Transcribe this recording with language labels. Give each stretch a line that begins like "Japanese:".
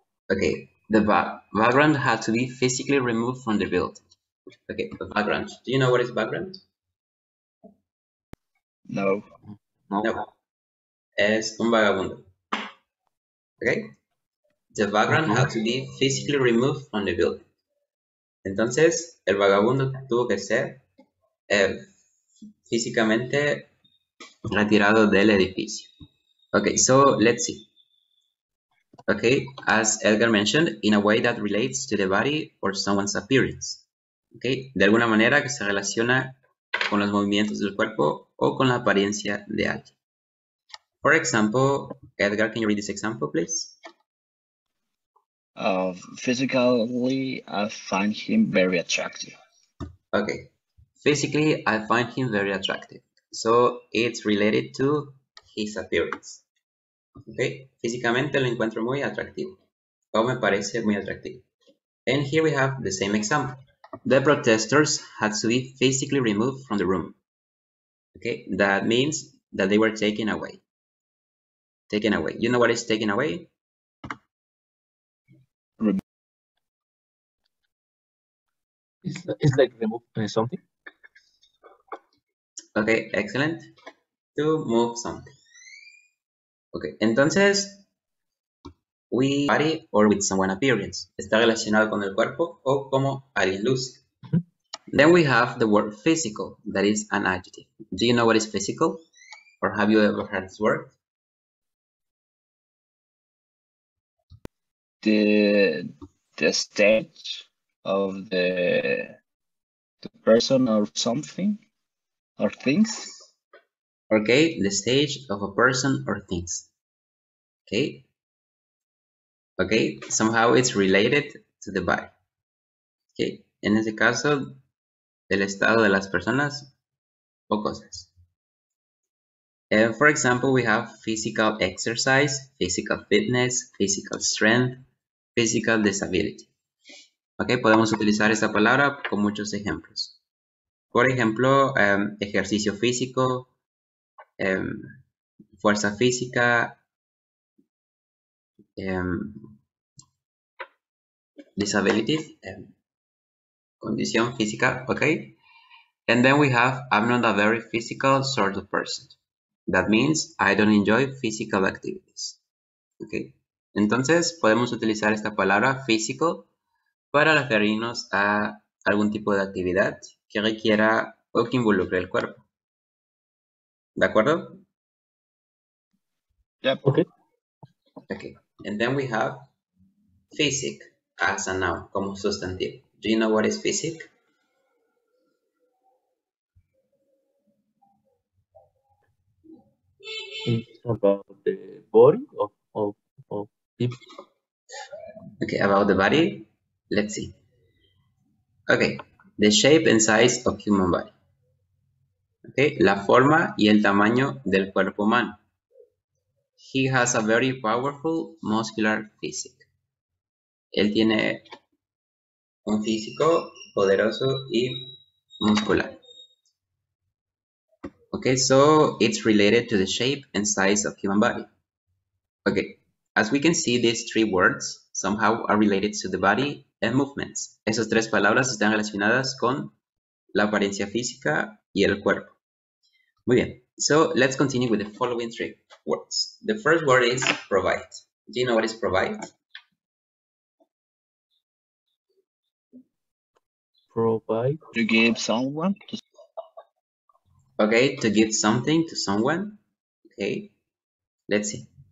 English: Okay, the background had to be physically removed from the building. Okay, the background. Do you know what is background? No.
Spanish: Es un vagabundo. Okay?
English: The background had to be physically removed from the building.
Spanish: Entonces, el vagabundo tuvo que ser físicamente retirado del edificio.
English: Okay, so let's see. Okay, as Edgar mentioned, in a way that relates to the body or someone's appearance.
Spanish: Okay, de alguna manera que se relaciona con los movimientos del cuerpo o con la apariencia de alguien.
English: For example, Edgar, can you read this example, please? Physically, I find him very attractive. Okay. Physically, I find him very attractive. So it's related to his appearance.
Spanish: Okay, físicamente lo encuentro muy atractivo. O me parece muy atractivo.
English: And here we have the same example. The protesters had to be physically removed from the room. Okay, that means that they were taken away. Taken away. You know what is taken away? It's like remove something. Okay, excellent. To move something. Okay, entonces, we body or with someone appearance.
Spanish: Está relacionado con el cuerpo o como alguien luce.
English: Then we have the word physical, that is an adjective. Do you know what is physical? Or have you ever heard this word? The state of the person or something or things. Okay, the stage of a person or things. Okay. Okay, somehow it's related to the body.
Spanish: Okay, en ese caso, el estado de las personas o cosas.
English: And for example, we have physical exercise, physical fitness, physical strength, physical disability.
Spanish: Okay, podemos utilizar esta palabra con muchos ejemplos. Por ejemplo, ejercicio físico, fuerza física, disability, condición física, okay?
English: And then we have, I'm not a very physical sort of person. That means I don't enjoy physical activities, okay?
Spanish: Entonces, podemos utilizar esta palabra, physical, para referirnos a algún tipo de actividad que requiera o que involucre el cuerpo. ¿De acuerdo?
English: Yeah, okay. Okay, and then we have physic as a noun,
Spanish: como sustantivo.
English: Do you know what is physic? About the body of people. Okay, about the body, let's see. Okay, the shape and size of human body.
Spanish: Okay, la forma y el tamaño del cuerpo humano.
English: He has a very powerful muscular physique.
Spanish: Él tiene un físico poderoso y muscular.
English: Okay, so it's related to the shape and size of human body. Okay, as we can see, these three words somehow are related to the body and movements.
Spanish: Esas tres palabras están relacionadas con la apariencia física y el cuerpo. Muy bien,
English: so let's continue with the following three words. The first word is provide. Do you know what is provide? Provide? To give someone to. Okay, to give something to someone. Okay, let's see.